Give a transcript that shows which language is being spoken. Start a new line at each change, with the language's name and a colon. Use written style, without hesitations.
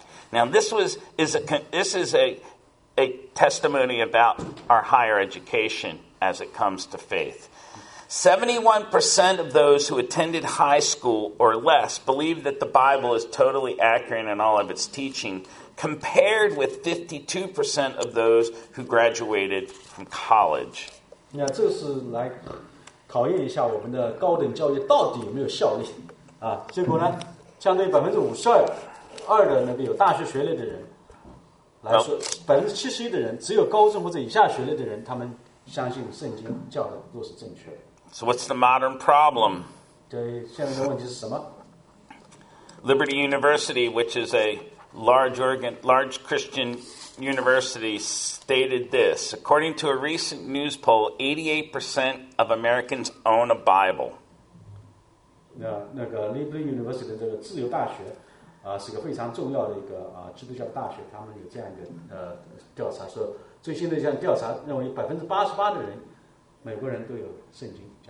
English: Now this is a testimony about our higher education as it comes to faith. 71% of those who attended high school or less believe that the Bible is totally accurate in all of its teaching, compared with 52% of those who graduated from college.
Chinese: 那这是来考验一下我们的高等教育到底有没有效力啊？结果呢，相对52%的那个有大学学历的人来说，71%的人只有高中或者以下学历的人，他们相信圣经教的都是正确的。
English: So what's the modern problem?
Chinese: 对，现在的问题是什么？
English: Liberty University, which is a large Christian university, stated this. According to a recent news poll, 88% of Americans own a Bible.
Chinese: 那个 Liberty University 的这个自由大学啊，是个非常重要的一个基督教大学。他们有这样一个调查说，最新的一项调查认为88%的人，美国人都有圣经。